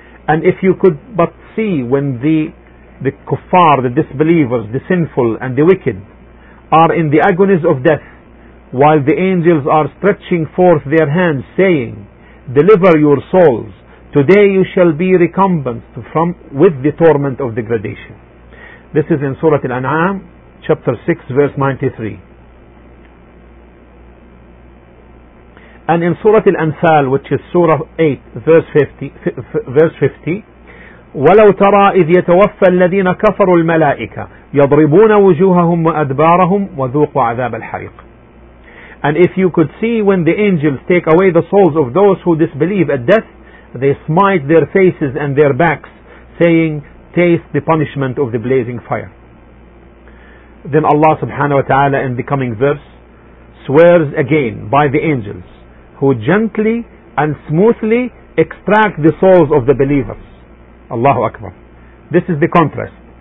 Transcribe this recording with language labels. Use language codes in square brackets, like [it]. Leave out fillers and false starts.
[en] And if you could but see when the kuffar, the disbelievers, the sinful and the wicked are in the agonies of death, while the angels are stretching forth their hands saying, deliver your souls, today you shall be recompensed from with the torment of degradation. This is in Surah Al-An'am, chapter 6, verse 93. And in Surah Al-Anfal, which is Surah 8, verse 50, [ar] ولو ترى إذ يتوفى الذين كفروا الملائكة يضربون وجوههم وأدبارهم وذوقوا عذاب الحريق. [en] And if you could see when the angels take away the souls of those who disbelieve at death, they smite their faces and their backs, saying, taste the punishment of the blazing fire. Then Allah subhanahu wa ta'ala in the coming verse swears again by the angels who gently and smoothly extract the souls of the believers. Allahu Akbar. This is the contrast.